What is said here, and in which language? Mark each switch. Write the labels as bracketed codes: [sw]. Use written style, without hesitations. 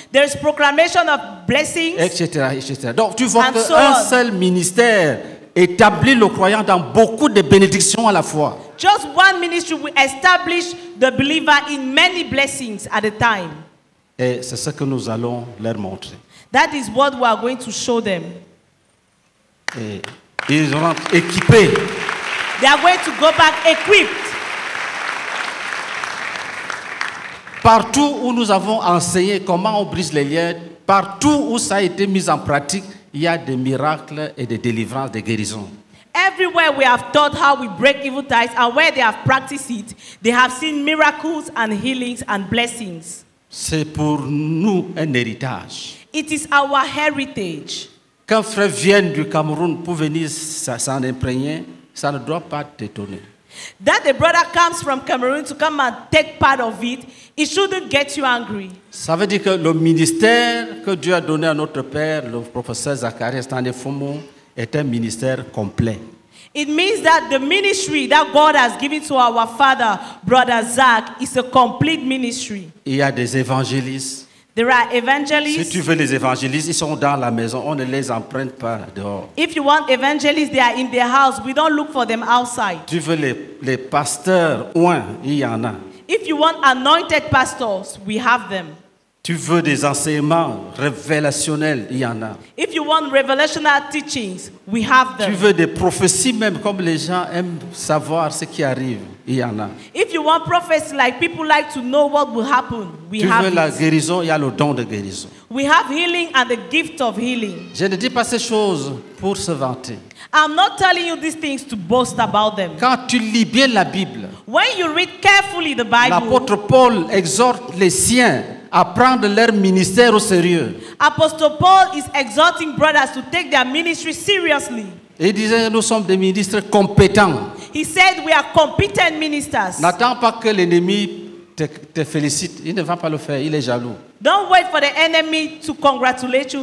[en] There is proclamation of blessings. [fr] Etc. Etc. Donc tu vois qu'un seul ministère établit le croyant dans beaucoup de bénédictions à la fois. [en] Just one ministry will establish the believer in many blessings at a time. [fr] Et c'est ce que nous allons leur montrer. [en] That is what we are going to show them. [fr] Et ils seront équipés. [en] They are going to go back equipped. [fr] Partout où nous avons enseigné comment on brise les liens, partout où ça a été mis en pratique, il y a des miracles et des délivrances, des guérisons. [en] Everywhere we have taught how we break evil ties and where they have practiced it, they have seen miracles and healings and blessings. [fr] C'est pour nous un héritage. [en] It is our heritage. [fr] Quand frère vient du Cameroun pour venir s'en imprégner, ça ne doit pas t'étonner. [en] That a brother comes from Cameroon to come and take part of it, it shouldn't get you angry. [fr] Ça veut dire que le ministère que Dieu a donné à notre père, le professeur Zacharie Stanefumo, est un ministère complet. [en] It means that the ministry that God has given to our father, brother Zach, is a complete ministry. [fr] Il y a des évangélistes. [en] There are evangelists. [fr] Si tu veux les évangélistes, ils sont dans la maison. On ne les emprunte pas dehors. [en] If you want evangelists, they are in their house. We don't look for them outside. [fr] Tu veux les pasteurs, oint, il y en a. [en] If you want anointed pastors, we have them. [fr] Tu veux des enseignements révélationnels, il y en a. [en] If you want revelational teachings, we have them. [fr] Tu veux des prophéties même, comme les gens aiment savoir ce qui arrive, il y en a. [en] If you want prophecy, like people like to know what will happen, we [fr] tu [en] have [fr] veux [en] it. [fr] La guérison, il y a le don de guérison. [en] We have healing and the gift of healing. [fr] Je ne dis pas ces choses pour se vanter. [en] I'm not telling you these things to boast about them. [fr] Quand tu lis bien la Bible, [en] when you read carefully the Bible, [fr] l'apôtre Paul exhorte les siens à prendre leur ministère au sérieux. [en] Apostle Paul is exhorting brothers to take their ministry seriously. [fr] Il disait, nous sommes des ministres compétents. [en] He said, we are competent ministers. [fr] N'attends pas que l'ennemi te félicite. Il ne va pas le faire. Il est jaloux. [en] Don't wait for the enemy to congratulate you.